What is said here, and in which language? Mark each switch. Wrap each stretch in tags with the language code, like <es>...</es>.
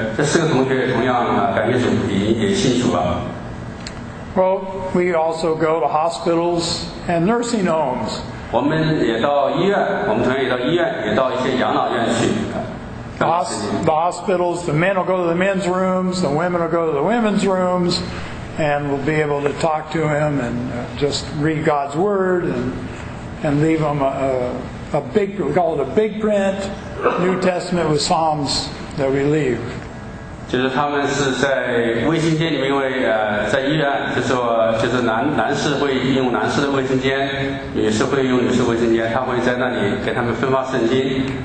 <zh>这四个同学也同样感谢主，也信主了。</zh> <en>Well, we also go to hospitals and nursing homes.</en> <zh>我们也到医院，我们同样也到医院，也到一些养老院去。</zh> <en>The hospitals, the men will go to the men's rooms, the women will go to the women's rooms, and we'll be able to talk to him and just read God's word and leave him a big, we call it a big print, New Testament with Psalms that we leave.</en> <zh>就是他们是在卫生间里面，因为在医院，就是男士会用男士的卫生间，女士会用女士卫生间，他会在那里给他们分发圣经。</zh>